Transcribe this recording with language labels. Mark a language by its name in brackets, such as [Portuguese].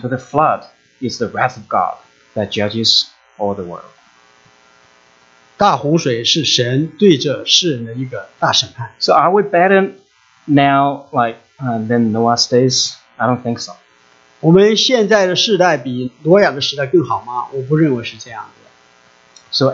[English] So the flood is the wrath of God that judges all the world. [Chinese] 大洪水是神对着世人的一个大审判。 [English] So are we better now than Noah's days? I don't think so. [Chinese] 我们现在的世代比挪亚的时代更好吗? 我不认为是这样的。So